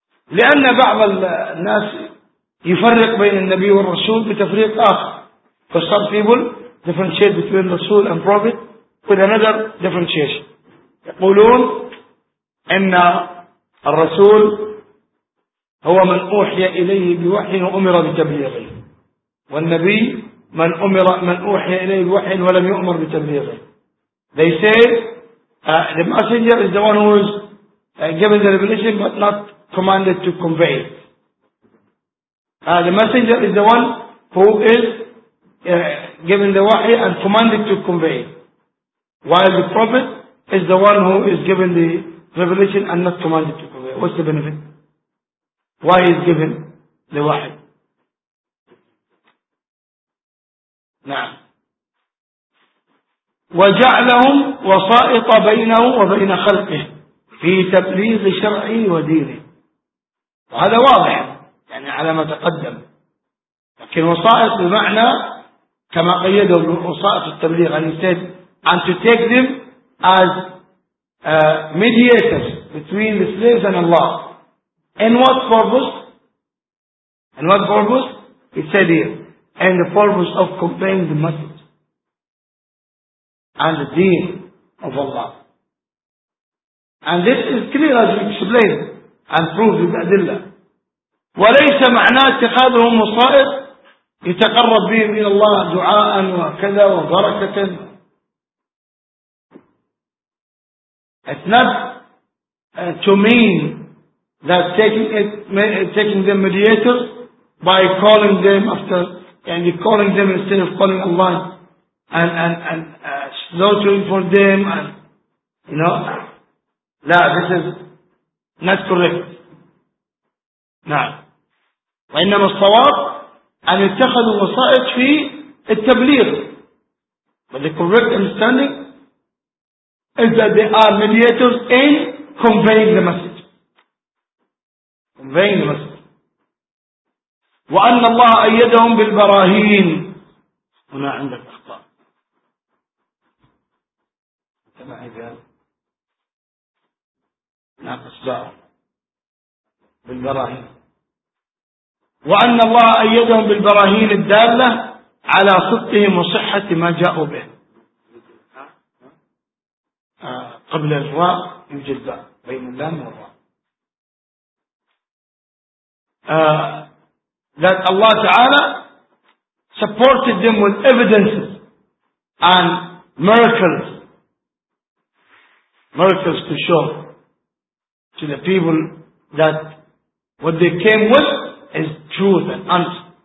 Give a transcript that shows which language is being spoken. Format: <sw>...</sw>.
<ar>لأن بعض الناس يفرق بين النبي والرسول بتفريق آخر.</ar> <en>Because some people differentiate between Rasul and Prophet with another differentiation.</en> <ar>يقولون أن الرسول هو من أوحي إليه بوحي وأمر بتبليغه, والنبي من أمر من أوحي إليه بوحي ولم يؤمر بتبليغه.</ar> <en>They say the messenger is the one who is given the revelation but not commanded to convey it. The messenger is the one who is given the wahi and commanded to convey, while the prophet is the one who is given the revelation and not commanded to convey. What's the benefit? Why is given the wahi?</en> <ar>نعم. وجعلهم وسائط بينه وبين خلقه في تبليغ شرعه ودينه. وهذا واضح يعني على ما تقدم. لكن وسائط بمعنى كما قيده وسائط التبليغ,</ar> <en>and he said, and to take them as mediators between the slaves and Allah. In what purpose? In what purpose? He said here, in the purpose of conveying the message and the deen of Allah. And this is clear as we explained and proved with أدلة.</en> <ar>وليس معنى اتخاذهم وسائط يتقرب بهم إلى الله دعاء وكذا وبركة.</ar> <en>It's not to mean that taking them mediators by calling them after and you're calling them instead of calling Allah, and slaughtering for them, and you know,</en> <ar>لا,</ar> <en>this is not correct.</en> <ar>نعم. وإنما الصواب أن يتخذوا وسائط في التبليغ.</ar> <en>But the correct understanding is that they are mediators in conveying the message. Conveying the message.</en> <ar>وأن الله أيدهم بالبراهين. هنا عندك أخطاء. كما إذا ناقص باء بالبراهين. وأن الله أيدهم بالبراهين الدالة على صدقهم وصحة ما جاءوا به. قبل الراء يوجد باء بين اللام والراء.</ar> <en>That Allah Ta'ala supported them with evidences and miracles. Miracles to show to the people that what they came with is truth and honest.</en>